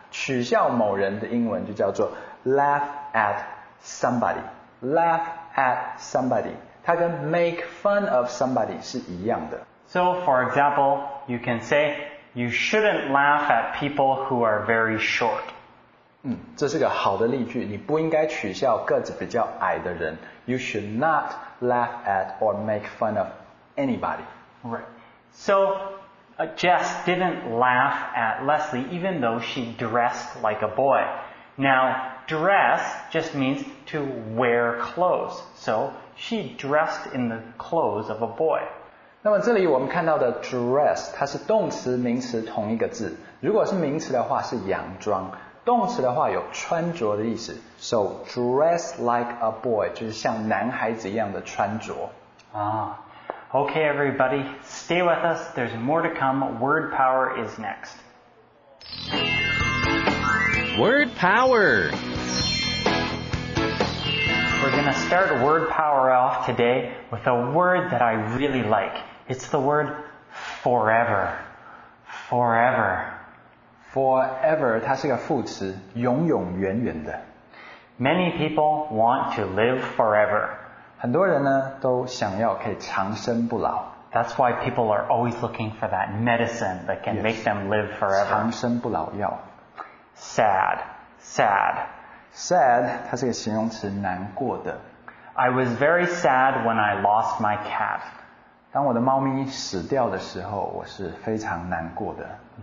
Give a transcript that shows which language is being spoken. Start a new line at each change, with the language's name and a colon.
Chinese: 取笑某人的英文就叫做
English: laugh at somebody. Laugh at somebody.
Chinese: 它跟
English: make fun of somebody
Chinese: 是一样的。
English: So, for example, you can say, you shouldn't laugh at people who are very short.
Chinese: 这是个好的例句。你不应该取笑个子比较矮的人。
English: You should not laugh at or make fun of anybody. Right. So, Jess didn't laugh at Leslie even though she dressed like a boy. Now,Dress just means to wear clothes. So she dressed in the clothes of a boy.
Chinese: 那么这里我们看到的 dress, 它是动词、名词同一个字。如果是名词的话是洋装，动词的话有穿着的意思。
English: So dress like a boy,
Chinese: 就是像男孩子一样的穿着。
English: Okay, everybody, stay with us. There's more to come. Word power is next. Word power. We're going to start word power off today with a word that I really like. It's the word forever. Forever.
Chinese: Forever, 它是个副词，永永远远的。
English: Many people want to live forever.
Chinese: 很多人呢都想要可以长生不老。
English: That's why people are always looking for that medicine that can make them live forever.
Chinese: 长生不老药。
English: Sad. Sad.
Chinese: Sad, 它是个形容词难过的。
English: I was very sad when I lost my cat.
Chinese: 当我的猫咪死掉的时候我是非常难过的。